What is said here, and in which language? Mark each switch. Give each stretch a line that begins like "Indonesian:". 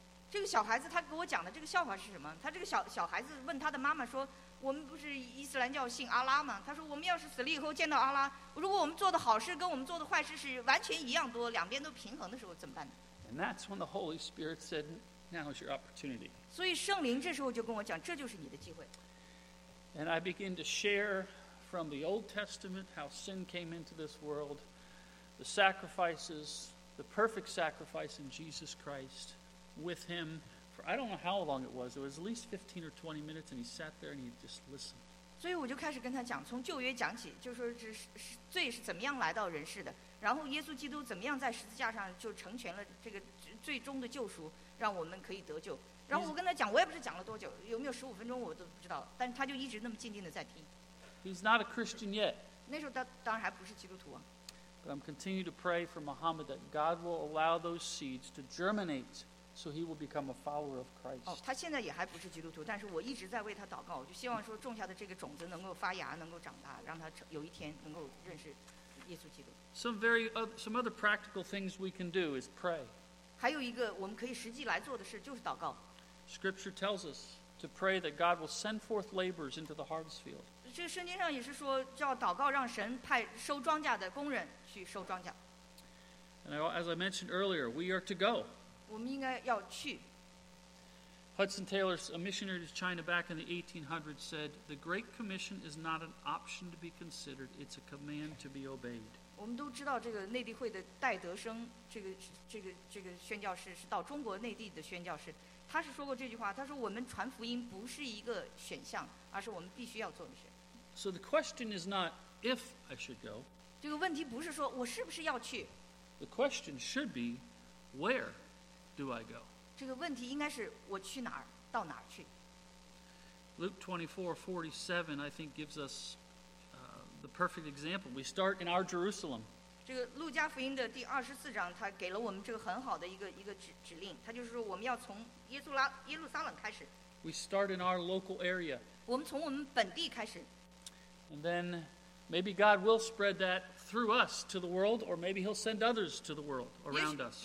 Chinese: 这个小孩子他给我讲的这个笑话是什么？他这个小孩子问他的妈妈说：“我们不是伊斯兰教信阿拉吗？” 他说：“我们要是死了以后见到阿拉，如果我们做的好事跟我们做的坏事是完全一样多，两边都平衡的时候怎么办呢？”
English: And that's when the Holy Spirit said, "Now is your opportunity."
Chinese: 所以圣灵这时候就跟我讲，这就是你的机会。
English: And I begin to share from the Old Testament how sin came into this world, the sacrifices, the perfect sacrifice in Jesus Christ. With him for I don't know how long it was. It was at least 15 or 20 minutes, and he sat there and he just listened.
Chinese: 所以我就开始跟他讲，从旧约讲起，就说这罪是怎么样来到人世的，然后耶稣基督怎么样在十字架上就成全了这个最终的救赎，让我们可以得救。然后我跟他讲，我也不是讲了多久，有没有15分钟我都不知道，但是他就一直那么静静的在听。
English: He's not a Christian yet.
Chinese: 那时候他当然还不是基督徒啊。
English: But I'm continuing to pray for Muhammad that God will allow those seeds to germinate. So he will become a follower of Christ.
Chinese: 哦，他现在也还不是基督徒，但是我一直在为他祷告，我就希望说种下的这个种子能够发芽，能够长大，让他有一天能够认识耶稣基督。
English: Some other practical things we can do is pray.
Chinese: 还有一个我们可以实际来做的事就是祷告。
English: Scripture tells us to pray that God will send forth laborers into the harvest field.
Chinese: 这圣经上也是说叫祷告，让神派收庄稼的工人去收庄稼。
English: And as I mentioned earlier, we are to go.
Chinese: 我们应该要去。
English: Hudson Taylor, a missionary to China back in the 1800s, said, "The Great Commission is not an option to be considered; it's a command to be obeyed."
Chinese: 我们都知道这个内地会的戴德生，这个宣教士是到中国内地的宣教士，他是说过这句话。他说：“我们传福音不是一个选项，而是我们必须要做的事。”
English: So the question is not if I should go.
Chinese: 这个问题不是说我是不是要去。
English: The question should be where. Do I go?
Chinese: 这个问题应该是我去哪儿，到哪儿去。
English: Luke 24:47, I think, gives us the perfect example. We start in our Jerusalem.
Chinese: 这个路加福音的第二十四章，他给了我们这个很好的一个指令，他就是说我们要从耶路撒冷开始。
English: We start in our local area.
Chinese: 我们从我们本地开始。
English: And then maybe God will spread that through us to the world, or maybe He'll send others to the world around us.